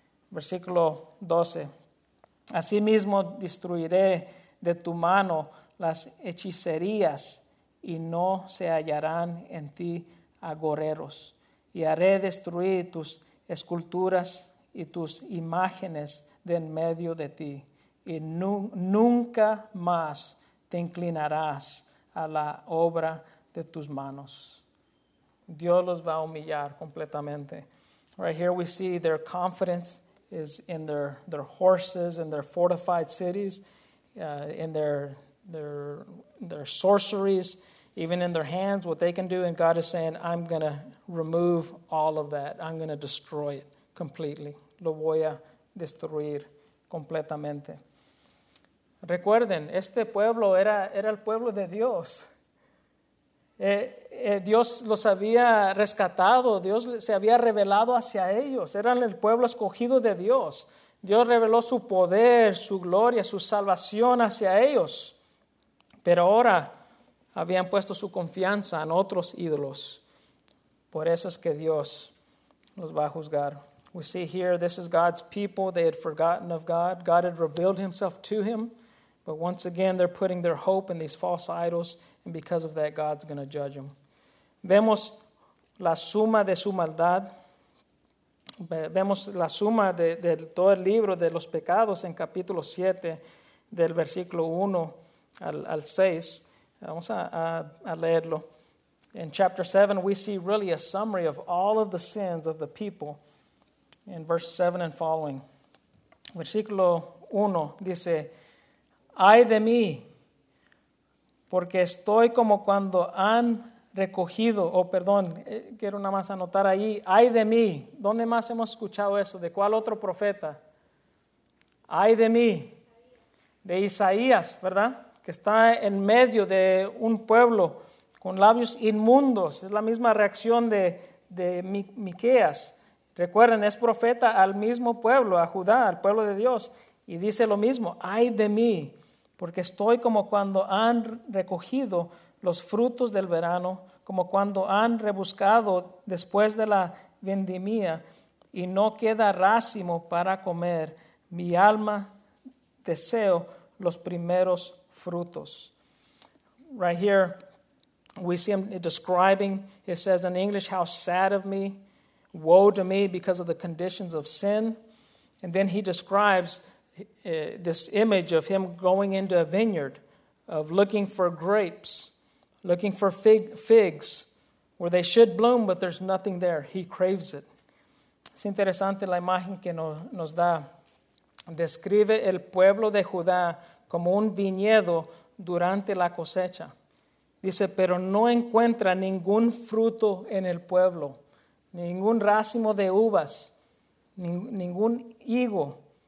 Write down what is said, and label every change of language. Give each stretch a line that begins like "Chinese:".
Spanish: Versículo 12. Asimismo destruiré de tu mano las hechicerías y no se hallarán en ti agoreros. Y haré destruir tus esculturas y tus imágenes de en medio de ti. Y nunca más te inclinarás a la obra de tus manos. Dios los va a humillar completamente.
English: Right here we see their confidence is in their horses and their fortified cities, in their sorceries, even in their hands, what they can do. And God is saying, I'm going to remove all of that. I'm going to destroy it completely.
Spanish: Lo voy a destruir completamente. Recuerden, este pueblo era el pueblo de Dios. Dios los había rescatado, Dios se había revelado hacia ellos, eran el pueblo escogido de Dios. Dios reveló su poder, su gloria, su salvación hacia ellos. Pero ahora habían puesto su confianza en otros ídolos. Por eso es que Dios los va a juzgar.
English: We see here, this is God's people, they had forgotten of God. God had revealed himself to him. But once again, they're putting their hope in these false idols. And because of that, God's going to judge them.
Spanish: Vemos la suma de su maldad. Vemos la suma de todo el libro de los pecados en capítulo 7, del versículo 1 al 6. Vamos a leerlo.
English: In chapter 7, we see really a summary of all of the sins of the people. In verse 7 and following.
Spanish: Versículo 1 dice, ay de mí, porque estoy como cuando han recogido, quiero nada más anotar ahí, ay de mí. ¿Dónde más hemos escuchado eso? ¿De cuál otro profeta? Ay de mí, de Isaías, ¿verdad? Que está en medio de un pueblo con labios inmundos. Es la misma reacción de Miqueas. Recuerden, es profeta al mismo pueblo, a Judá, al pueblo de Dios. Y dice lo mismo, ay de mí. Porque estoy como cuando han recogido los frutos del verano, como cuando han rebuscado después de la vendimia y no queda racimo para comer. Mi alma deseo los primeros frutos.
English: Right here, we see him describing, it says in English, how sad of me, woe to me because of the conditions of sin. And then he describes this image of him going into a vineyard, of looking for grapes, looking for figs, where they should bloom, but there's nothing there. He craves it.
Spanish: Es interesante la imagen que nos da. Describe el pueblo de Judá como un viñedo durante la cosecha. Dice, pero no encuentra ningún fruto en el pueblo, ningún racimo de uvas, ningún higo.